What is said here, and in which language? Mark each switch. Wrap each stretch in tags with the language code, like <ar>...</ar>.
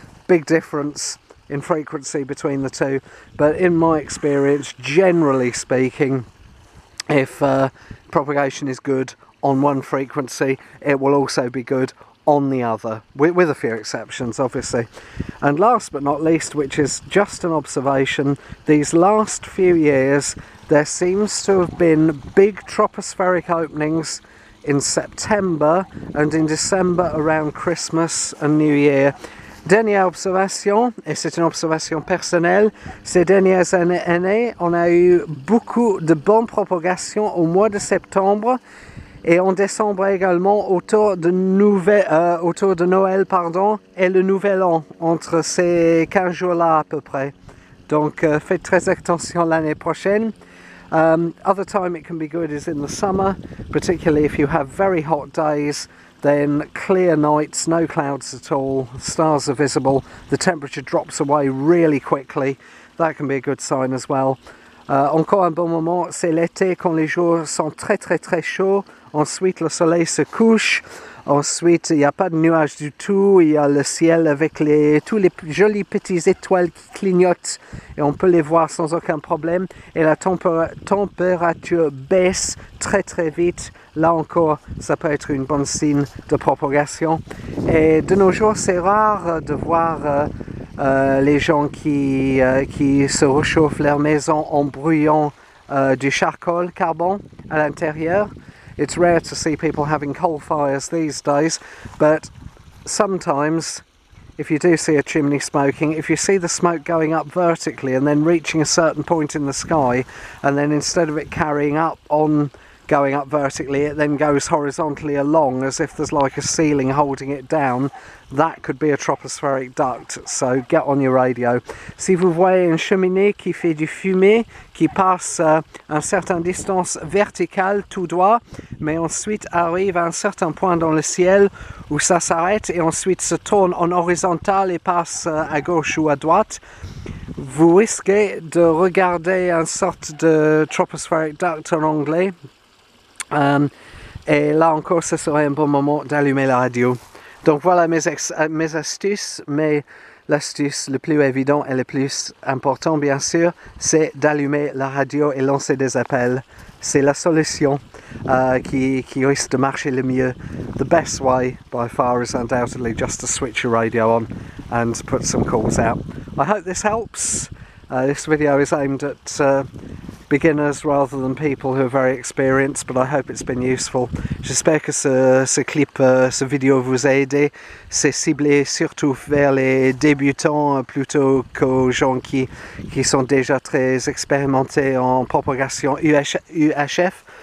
<en>Big difference in frequency between the two, but in my experience, generally speaking, if propagation is good on one frequency, it will also be good on the other, with a few exceptions, obviously. And last but not least, which is just an observation, these last few years, there seems to have been big tropospheric openings in September and in December around Christmas and New Year.</en> <fr>Dernière observation, et c'est une observation personnelle, ces dernières années, on a eu beaucoup de bonnes propagations au mois de septembre. Et on décembre également autour de Noël pardon, et le Nouvel An, entre ces 15 jours-là à peu près. Donc faites très attention l'année prochaine.</fr> <en>Other time it can be good is in the summer, particularly if you have very hot days, then clear nights, no clouds at all, stars are visible, the temperature drops away really quickly, that can be a good sign as well.</en> <fr>Encore un bon moment, c'est l'été quand les jours sont très très très chauds, ensuite le soleil se couche, ensuite il n'y a pas de nuages du tout, il y a le ciel avec tous les jolies petites étoiles qui clignotent et on peut les voir sans aucun problème et la température baisse très très vite. Là encore, ça peut être une bonne signe de propagation. Et de nos jours, c'est rare de voir les gens qui se réchauffent leur maison en brûlant du charcoal carbon à l'intérieur.</fr> <en>It's rare to see people having coal fires these days, but sometimes, if you do see a chimney smoking, if you see the smoke going up vertically and then reaching a certain point in the sky, and then instead of it carrying up on going up vertically, it then goes horizontally along as if there's like a ceiling holding it down, that could be a tropospheric duct, so get on your radio.</en> <fr>Si vous voyez une cheminée qui fait du fumée, qui passe un certain distance verticale tout droit, mais ensuite arrive à un certain point dans le ciel où ça s'arrête et ensuite se tourne en horizontal et passe à gauche ou à droite, vous risquez de regarder une sorte de tropospheric duct en anglais. Et là encore, ce serait un bon moment d'allumer la radio. Donc voilà mes astuces, mais l'astuce le plus évident et le plus important, bien sûr, c'est d'allumer la radio et lancer des appels. C'est la solution qui risque de marcher le mieux.</fr> <en>The best way, by far, is undoubtedly just to switch your radio on and put some calls out. I hope this helps. This video is aimed at beginners rather than people who are very experienced, but I hope it's been useful.</en> <fr>J'espère que ce clip, ce vidéo vous a aidé. C'est ciblé surtout vers les débutants plutôt qu'aux gens qui sont déjà très expérimentés en propagation UHF.</fr>